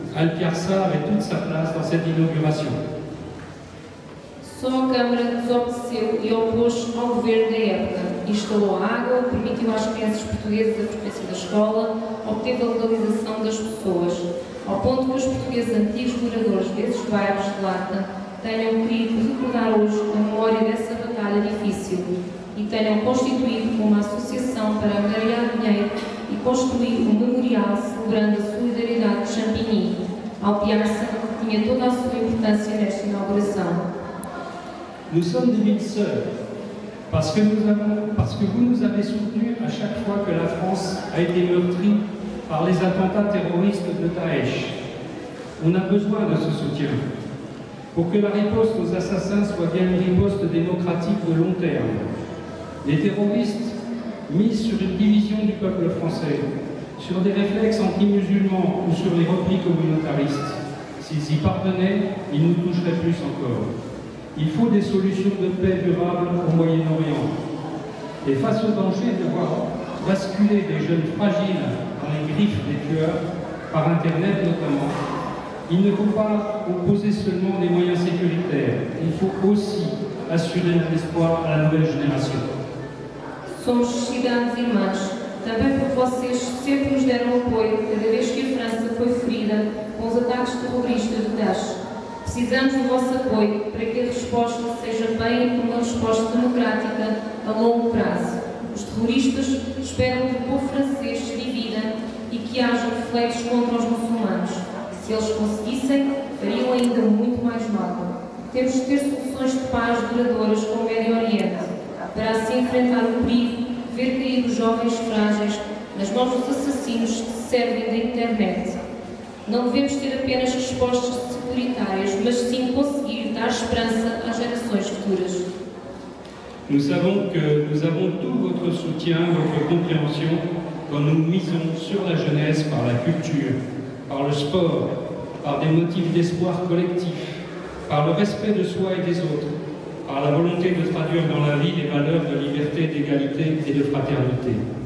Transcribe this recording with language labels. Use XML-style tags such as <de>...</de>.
<fr>Alpiarça avait toute sa place dans cette inauguration.</fr> <pt>Só a Câmara desobedeceu e opôs-se ao governo da época. Instalou a água, permitiu às crianças portuguesas a frequência da escola, obteve a legalização das pessoas, ao ponto que os portugueses antigos moradores desses bairros de lata tenham querido recordar hoje a memória dessa batalha difícil e tenham constituído uma associação para angariar dinheiro e construir um memorial celebrando a solidariedade de Champigny. Alpiarça tinha toda a sua importância nesta inauguração.</pt> <fr>Nous sommes des mille sœurs, parce que vous nous avez soutenus à chaque fois que la France a été meurtrie par les attentats terroristes de Daesh. On a besoin de ce soutien pour que la riposte aux assassins soit bien une riposte démocratique de long terme. Les terroristes misent sur une division du peuple français, sur des réflexes anti-musulmans ou sur les replis communautaristes. S'ils y parvenaient, ils nous toucheraient plus encore. Il faut des solutions de paix durable au Moyen-Orient. Et face au danger de voir basculer des jeunes fragiles dans les griffes des tueurs, par Internet notamment, il ne faut pas opposer seulement des moyens sécuritaires, il faut aussi assurer un espoir à la nouvelle génération.</fr> <pt>Somos cidades irmãs, também porque vocês sempre nos deram apoio cada vez que a França foi ferida com os ataques terroristas de Daesh. Precisamos do vosso apoio para que a resposta seja bem uma resposta democrática a longo prazo. Os terroristas esperam que o povo francês se divida e que haja reflexos contra os muçulmanos. Se eles conseguissem, fariam ainda muito mais mal. Temos de ter soluções de paz duradouras com o Médio Oriente, para assim enfrentar o perigo, ver cair os jovens frágeis nas mãos dos assassinos que servem da internet. Não devemos ter apenas respostas securitárias, mas sim conseguir dar esperança às gerações futuras.</pt> <fr>Nous savons que nous avons tout votre soutien, votre compréhension quand nous misons sur la jeunesse par la culture, par le sport, par des motifs d'espoir collectif, par le respect de soi et des autres, par la volonté de traduire dans la vie les valeurs de liberté, d'égalité et de fraternité.</fr>